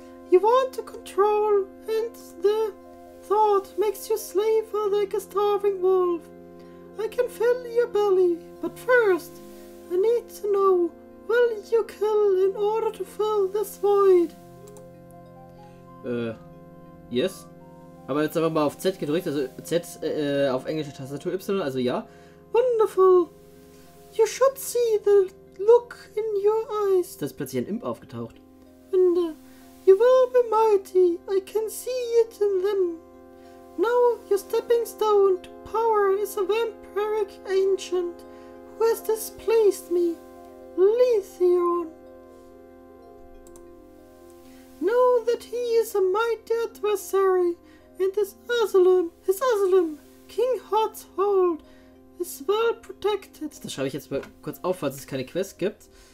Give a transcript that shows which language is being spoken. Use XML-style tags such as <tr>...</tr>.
<en>You want to control, and the thought makes you slave like a starving wolf. I can fill your belly, but first, I need to know, will you kill in order to fill this void? Yes.</en> <de>Aber jetzt einfach mal auf Z gedrückt, also Z auf englische Tastatur Y, also ja.</de> <en>Wonderful. You should see the look in your eyes.</en> <de>Da ist plötzlich ein Imp aufgetaucht.</de> <en>And you will be mighty. I can see it in them. Now your stepping stone to power is a vampiric ancient who has displaced me. Lithion. Know that he is a mighty adversary. And his Asylum, King Hotshold, is well protected.</en> <de>Das schreibe ich jetzt mal kurz auf, falls es keine Quest gibt.</de>